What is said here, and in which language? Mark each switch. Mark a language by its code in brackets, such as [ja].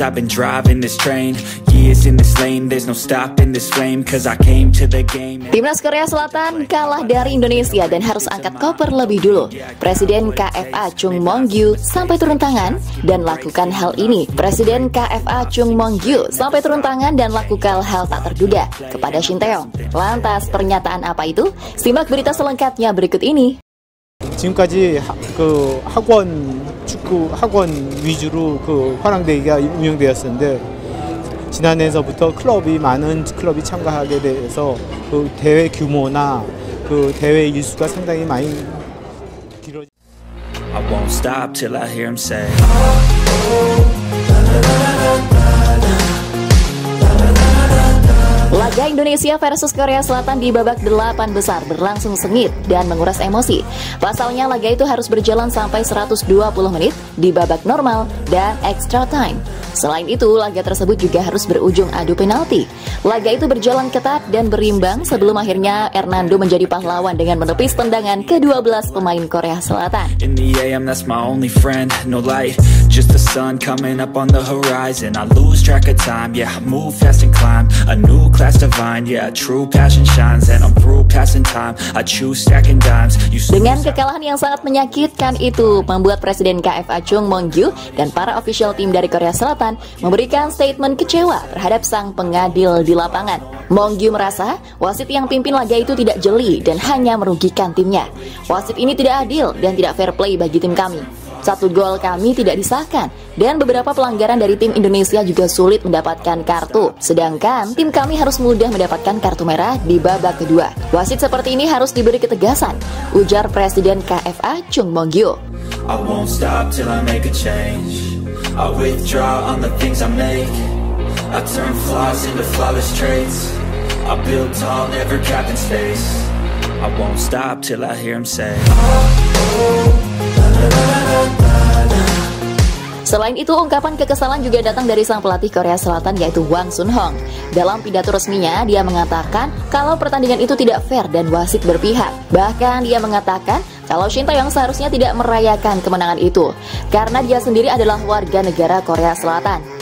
[en] I've been driving this train. Years in this lane. There's no stopping this flame. 'Cause I came to the game. [id] Timnas Korea Selatan kalah dari Indonesia dan harus angkat koper lebih dulu. Presiden KFA Chung Mong-gyu sampai turun tangan dan lakukan hal ini. Presiden KFA Chung Mong-gyu sampai turun tangan dan lakukan hal tak terduga kepada Shin Tae-yong. Lantas pernyataan apa itu? Simak berita selengkapnya berikut ini. [ko] 지금까지 그 학원 축구 학원 위주로 그 화랑대회가 운영되었었는데 지난해서부터 클럽이 많은 클럽이 참가하게 돼서 그 대회 규모나 그 대회 일수가 상당히 많이 길어지. [en] I won't stop till I hear him say. [id] 3 Indonesia versus Korea Selatan di babak 8 besar berlangsung sengit dan menguras emosi. Pasalnya laga itu harus berjalan sampai 120 menit di babak normal dan extra time. Selain itu, laga tersebut juga harus berujung adu penalti. Laga itu berjalan ketat dan berimbang sebelum akhirnya Hernando menjadi pahlawan dengan menepis tendangan ke-12 pemain Korea Selatan. [en] In the AM, that's my only friend, no light. Just the sun coming up on the horizon. I lose track of time, yeah, move fast and climb. A new class divine, yeah, true passion shines. And I'm through passing time, I choose stacking dimes. [id] Dengan kekalahan yang sangat menyakitkan itu, membuat Presiden KFA Chung Mong-gyu dan para official team dari Korea Selatan memberikan statement kecewa terhadap sang pengadil di lapangan. Mong-gyu merasa wasit yang pimpin laga itu tidak jeli dan hanya merugikan timnya. Wasit ini tidak adil dan tidak fair play bagi tim kami. Satu gol kami tidak disahkan dan beberapa pelanggaran dari tim Indonesia juga sulit mendapatkan kartu. Sedangkan tim kami harus mudah mendapatkan kartu merah di babak kedua. Wasit seperti ini harus diberi ketegasan, ujar Presiden KFA Chung Mong-gyu. [en] I won't stop till I make a change. I withdraw on the things I make. I turn flaws into flawless traits. I build tall, never capped in space. I won't stop till I hear him say. [id] Selain itu, ungkapan kekesalan juga datang dari sang pelatih Korea Selatan yaitu Hwang Soon-hong. Dalam pidato resminya, dia mengatakan kalau pertandingan itu tidak fair dan wasit berpihak. Bahkan dia mengatakan kalau Shin Tae-yong seharusnya tidak merayakan kemenangan itu karena dia sendiri adalah warga negara Korea Selatan.